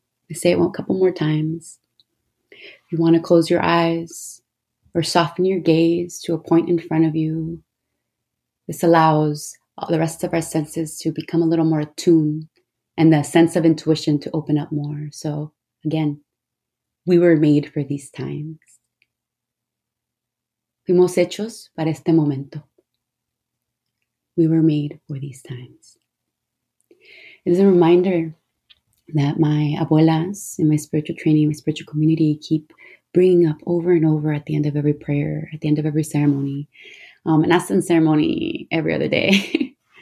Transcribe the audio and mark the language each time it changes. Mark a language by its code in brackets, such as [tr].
[en] I say it a couple more times. If you want to close your eyes or soften your gaze to a point in front of you, this allows all the rest of our senses to become a little more attuned and the sense of intuition to open up more. So again, we were made for these times. [es] Fuimos hechos para este momento. [en] We were made for these times. It is a reminder that my abuelas in my spiritual training, my spiritual community keep bringing up over and over at the end of every prayer, at the end of every ceremony, and as in ceremony every other day.